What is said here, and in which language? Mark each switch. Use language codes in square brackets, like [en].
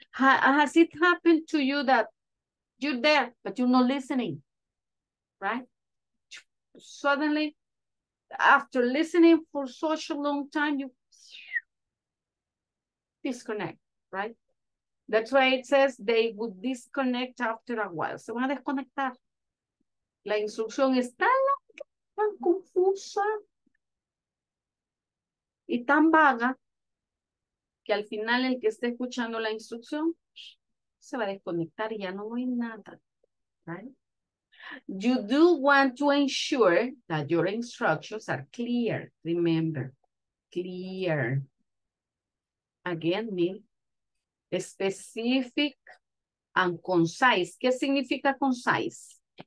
[en] Has it happened to you that you're there, but you're not listening, right? Suddenly, after listening for such a long time, you disconnect. Right? That's why it says they would disconnect after a while. [es] Se van a desconectar. La instrucción es tan confusa y tan vaga que al final el que esté escuchando la instrucción se va a desconectar y ya no hay nada. [en] Right? You do want to ensure that your instructions are clear. Remember, clear. Again, Mil. Specific and concise. [es] ¿Qué significa [en] concise?